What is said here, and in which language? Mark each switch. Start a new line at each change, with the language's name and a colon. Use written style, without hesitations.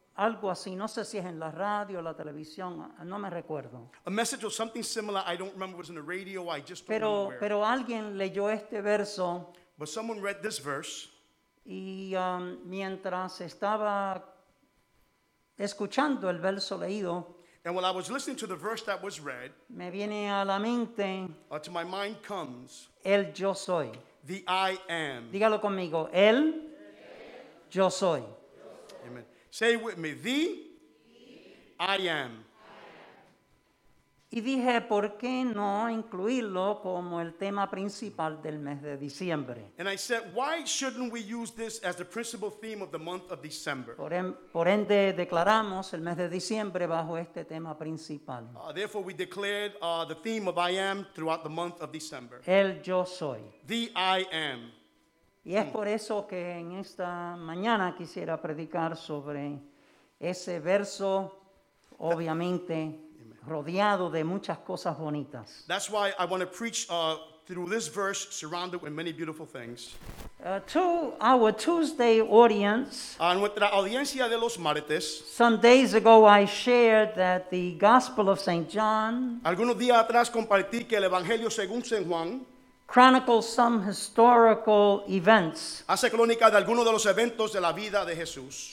Spanish: Algo así, no sé si es en la radio o la televisión, no me recuerdo.
English: A message or something similar, I don't remember if it was in the radio, I just don't know where.
Spanish: Pero alguien leyó este verso.
English: But someone read this verse.
Spanish: Y mientras estaba escuchando el verso leído.
English: And while I was listening to the verse that was read.
Spanish: Me viene a la mente.
English: Or to my mind comes.
Spanish: El yo soy.
English: The I am.
Spanish: Dígalo conmigo, el yo soy.
English: Amen. Say with me, the I am.
Spanish: Y dije, ¿por qué no incluirlo como el tema principal del mes de diciembre?
English: And I said, why shouldn't we use this as the principal theme of the month of December?
Spanish: Por ende, declaramos el mes de diciembre bajo este tema principal.
English: Therefore, we declared the theme of I am throughout the month of December.
Spanish: El yo soy.
English: The I am.
Spanish: Y es por eso que en esta mañana quisiera predicar sobre ese verso, obviamente, rodeado de muchas cosas bonitas.
English: That's why I want to preach through this verse, surrounded with many beautiful things. To our Tuesday audience,
Spanish: nuestra audiencia de los martes,
English: some days ago I shared that the Gospel of St. John,
Spanish: algunos días atrás compartí que el Evangelio según San Juan,
English: chronicles some historical events.
Spanish: Hace crónica de algunos de los eventos de la vida de Jesús.